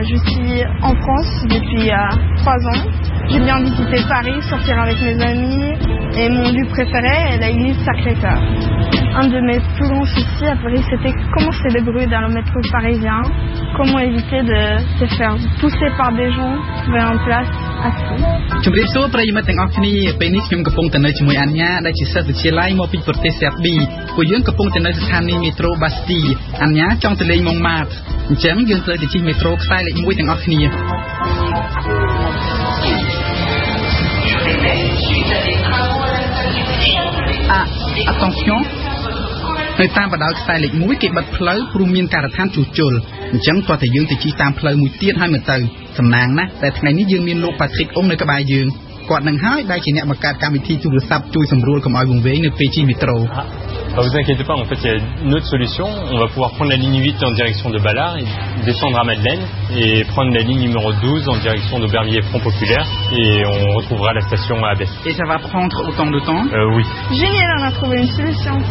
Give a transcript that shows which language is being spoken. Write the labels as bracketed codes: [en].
[fr] Je suis en France depuis 3 ans. J'aime bien visiter Paris, sortir avec mes amis. Et mon lieu préféré est l'église Sacré-Cœur. Un de mes plus grands soucis à Paris, c'était comment se débrouiller dans le métro parisien, comment éviter de se faire pousser par des gens vers une place. [km] ជម្រាបសួរប្រិយមិត្តទាំងអស់គ្នាពេលនេះខ្ញុំកំពុងតែនៅជាមួយអញ្ញាដែលជាសិស្សវិទ្យាល័យមកពីប្រទេសសាប៊ីពួកយើងកំពុងតែនៅស្ថានីយ៍មេត្រូបាស្ទីអញ្ញាចង់ទៅលេងម៉ុងម៉ាតអញ្ចឹងយើងត្រូវទៅជិះមេត្រូខ្សែលេខ1ទាំងអស់គ្នា អា attention នៅតាមបណ្ដោយខ្សែលេខ1គេបិទផ្លូវព្រោះមានការរដ្ឋានជួសជុលអញ្ចឹងគាត់តែយើងទៅជិះតាមផ្លូវមួយទៀតហើយមកទៅសំណាងណាតែថ្ងៃនេះយើងមានលោកប៉ាត្រិកអង្គនៅក្បែរយើងគាត់នឹងហើយដែលជាអ្នកបង្កើតកម្មវិធីទូរស័ព្ទជួយសម្រួលកុំឲ្យវង្វេងនៅពេលជិះមេត្រូ [fr] Alors vous inquiétez pas, en fait, il y a une autre solution. On va pouvoir prendre la ligne 8 en direction de Ballard, descendre à Madeleine et prendre la ligne numéro 12 en direction d'Aubervilliers Front Populaire et on retrouvera la station à Abbesse. Et ça va prendre autant de temps ? Oui. Génial, on a trouvé une solution.